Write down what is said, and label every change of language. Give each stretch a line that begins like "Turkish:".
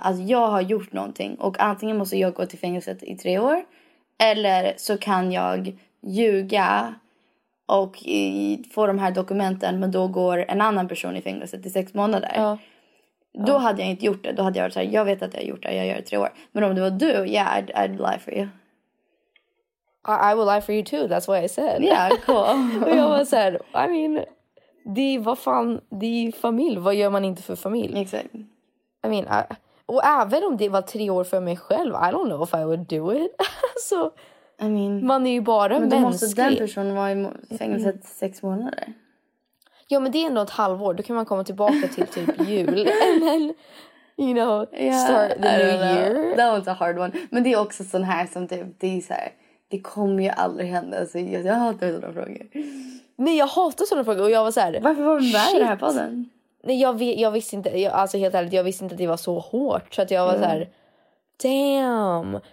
Swedish: Att jag har gjort någonting. Och antingen måste jag gå till fängelset i 3 år. Eller så kan jag ljuga. Och få de här dokumenten. Men då går en annan person i fängelset i 6 månader. Ja. Då hade jag inte gjort det. Då hade jag varit så här, jag vet att jag har gjort det. Jag gör det 3 år. Men om det var du,
English: yeah, I'd lie for you. I will lie for you too. That's what I said. Yeah, cool.
Swedish: Och jag var så här,
English: I mean,
Swedish: det är, vad fan, det är familj. Vad gör man inte för familj? Exakt.
English: I mean,
Swedish: och även om det var 3 år för mig själv,
English: I don't know if I would do it.
Swedish: Så,
English: I mean,
Swedish: man är ju bara men mänsklig. Men då måste den personen vara i fängelset 6 månader. Ja, men det är ändå ett halvår. Då kan man komma tillbaka till typ jul.
English: And then, you know, yeah, start the new year. That was a hard one.
Swedish: Men det är också sån här som typ, det är så här, det kommer ju aldrig hända. Så jag hatar sådana frågor. Nej, jag hatar sådana frågor. Och jag var så här, varför var vi med i det här podden? Nej, jag visste inte. Jag, alltså helt ärligt, jag visste inte att det var så hårt. Så att jag var så här, damn.